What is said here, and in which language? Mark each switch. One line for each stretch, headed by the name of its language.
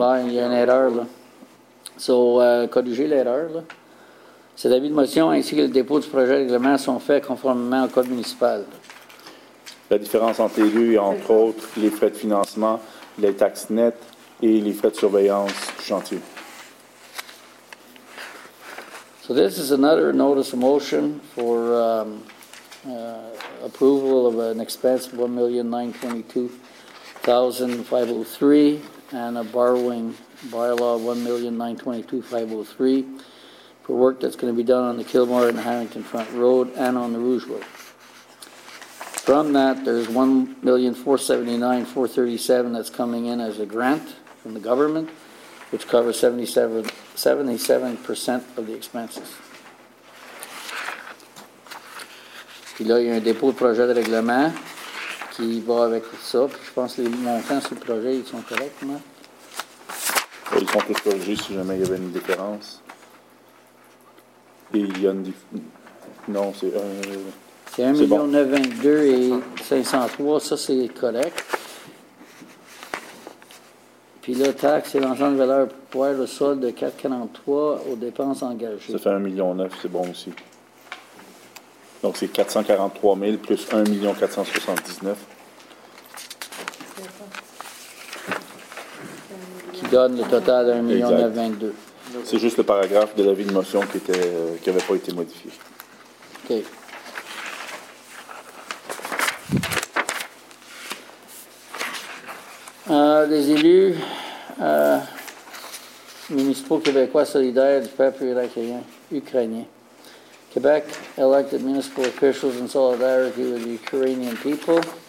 French: Oui, il y a une erreur, là. So, corriger l'erreur, là. C'est l'avis de motion ainsi que le dépôt du projet de règlement sont faits conformément au Code municipal. La différence entre les deux est, entre autres, les frais de financement, les taxes nettes et les frais de surveillance du chantier.
English: So, this is another notice of motion for approval of an expense of $1,922,503 and a borrowing bylaw 1,922,503 for work that's going to be done on the Kilmer and Harrington Front Road and on the Rouge Road. From that, there's $1,479,437 that's coming in as a grant from the government, which covers 77% of the expenses.
French: Puis là, il y a un dépôt de projet de règlement qui va avec ça. Puis je pense que les montants sur le projet, ils sont corrects, non? Ils sont tous corrigés si jamais il y avait une différence. Et il y a une différence. Non, c'est un. C'est 1 922 503, ça c'est correct. Puis là, taxe et l'ensemble de valeur pour le solde de 443 aux dépenses engagées. Ça fait 1 900 000, c'est bon aussi. Donc c'est 443 000 plus 1 479 000. Donne le total de 1 922 $. C'est juste le paragraphe de l'avis de motion qui était qui n'avait pas été modifié. OK. Les élus municipaux québécois solidaires du peuple ukrainien.
English: Québec elected municipal officials in solidarity with the Ukrainian people.